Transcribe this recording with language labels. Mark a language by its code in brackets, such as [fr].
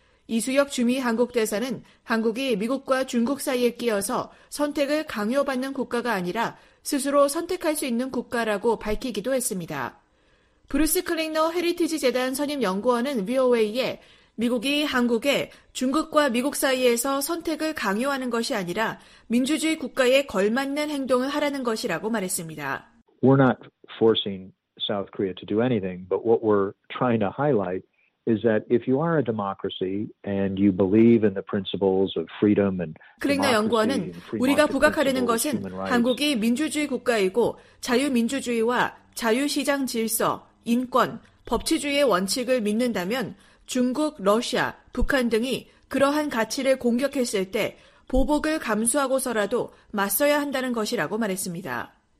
[ko] 이수혁 주미 한국대사는 한국이 미국과 중국 사이에 끼어서 선택을 강요받는 국가가 아니라 스스로 선택할 수 있는 국가라고 밝히기도 했습니다. 브루스 클링너 헤리티지 재단 선임 연구원은 VOA에 미국이 한국에 중국과 미국 사이에서 선택을 강요하는 것이 아니라 민주주의 국가에 걸맞는 행동을 하라는 것이라고 말했습니다. [en] We're not forcing South Korea to do anything, but what we're trying to highlight is that if you are a democracy and you believe in the principles of freedom and [ko] 클링너 연구원은 우리가 부각하려는 것은 한국이 민주주의 국가이고 자유민주주의와 자유시장 질서, 인권, 법치주의의 원칙을 믿는다면 중국, 러시아, 북한 등이 그러한 가치를 공격했을 때 보복을 감수하고서라도 맞서야 한다는 것이라고 말했습니다.